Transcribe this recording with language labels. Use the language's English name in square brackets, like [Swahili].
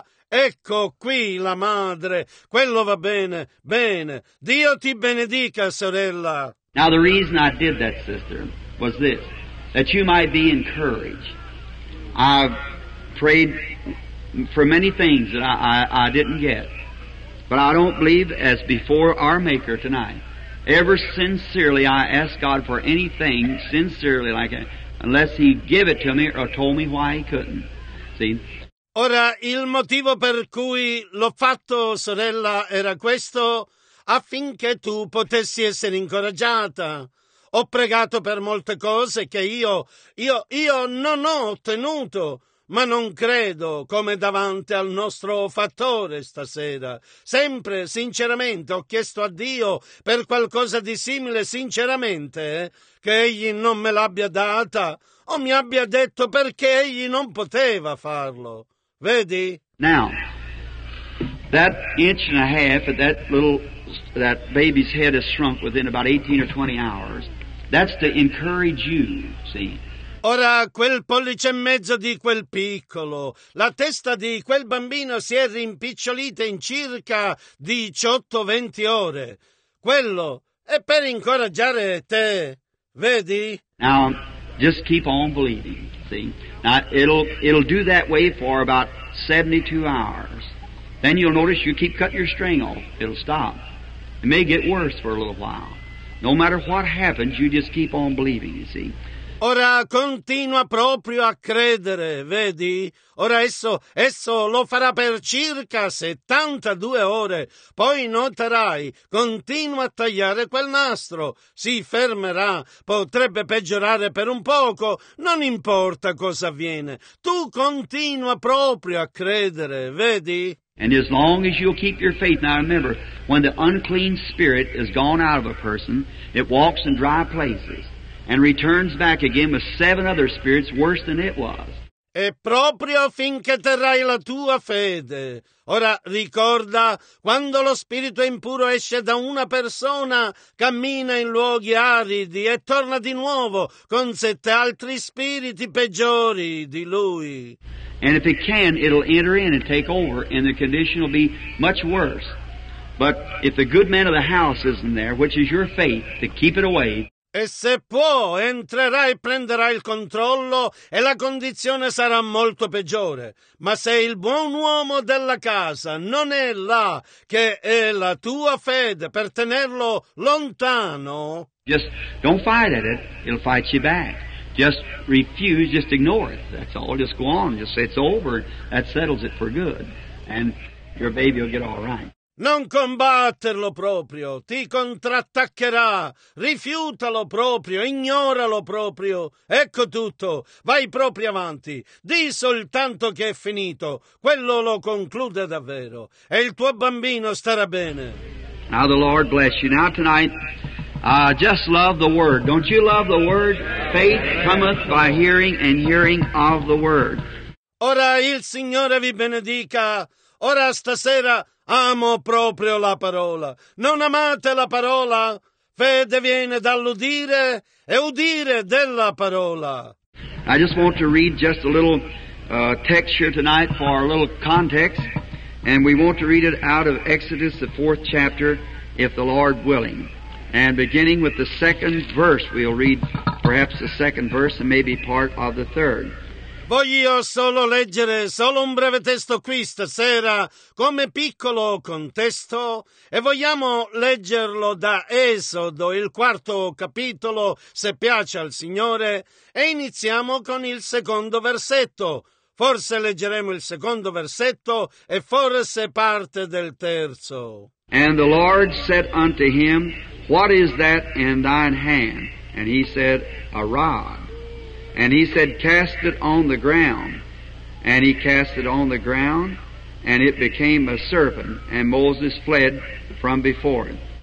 [Italian] Ecco qui la madre, quello va bene, bene. Dio ti benedica, sorella. [English] Now the reason I did that, sister, was this, that you might be encouraged. I've prayed for many things that I didn't get, but I don't believe as before our Maker tonight. Ever sincerely I ask God for anything sincerely, unless He give it to me or told me why He couldn't. See? [Italian] Ora, il motivo per cui l'ho fatto, sorella, era questo, affinché tu potessi essere incoraggiata. Ho pregato per molte cose che io non ho ottenuto, ma non credo come davanti al nostro fattore stasera. Sempre, sinceramente, ho chiesto a Dio per qualcosa di simile, sinceramente, che egli non me l'abbia data o mi abbia detto perché egli non poteva farlo. Vedi? [English] Now, that inch and a half of that little, that baby's head has shrunk within about 18 or 20 hours. That's to encourage you, see? [Italian] Ora, quel pollice e mezzo di quel piccolo, la testa di quel bambino si è rimpicciolita in circa 18-20 ore. Quello è per incoraggiare te, vedi? [English] Now, just keep on believing, see? Now, it'll do that way for about 72 hours. Then you'll notice you keep cutting your string off. It'll stop. It may get worse for a little while. No matter what happens, you just keep on believing, you see. [Italian] Ora continua proprio a credere, vedi? Ora esso lo farà per circa 72 ore. Poi noterai, continua a tagliare quel nastro. Si fermerà, potrebbe peggiorare per un poco, non importa cosa avviene. Tu continua proprio a credere, vedi? [English] And as long as you'll keep your faith, now remember, when the unclean spirit is gone out of a person, it walks in dry places and returns back again with seven other spirits worse than it was. [Italian] E proprio finché terrai la tua fede. Ora ricorda, quando lo spirito impuro esce da una persona, cammina in luoghi aridi e torna di nuovo con sette altri spiriti peggiori di lui. [English] And if it can, it'll enter in and take over, and the condition will be much worse. But if the good man of the house isn't there, which is your faith, to keep it away. [Italian] E se può, entrerà e prenderà il controllo e la condizione sarà molto peggiore. Ma se il buon uomo della casa non è là, che è la tua fede per tenerlo lontano. [English] Just don't fight at it, it'll fight you back. Just refuse, just ignore it. That's all. Just go on. Just say it's over. That settles it for good. And your baby will get all right. [Italian] Non combatterlo proprio, ti contrattaccherà, rifiutalo proprio, ignoralo proprio, ecco tutto, vai proprio avanti, di soltanto che è finito, quello lo conclude davvero, e il tuo bambino starà bene. [English] Now the Lord bless you. Now tonight, just love the Word. Don't you love the Word? Faith cometh by hearing and hearing of the Word. [Italian] Ora il Signore vi benedica, ora stasera... Amo proprio la parola. Non amate la parola? Fede viene dall'udire e udire della parola. [English] I just want to read just a little text here tonight for a little context, and we want to read it out of Exodus, the fourth chapter, if the Lord willing. And beginning with the second verse, we'll read perhaps the second verse and maybe part of the third. [Italian] Voglio solo leggere solo un breve testo qui stasera, come piccolo contesto, e vogliamo leggerlo da Esodo, il quarto capitolo, se piace al Signore, e iniziamo con il secondo versetto. Forse leggeremo il secondo versetto e forse parte del terzo. [English] And the Lord said unto him, What is that in thine hand? And he said, A rod. And he said, Cast it on the ground. And he cast it on the ground, and it became a serpent, and Moses fled from before him.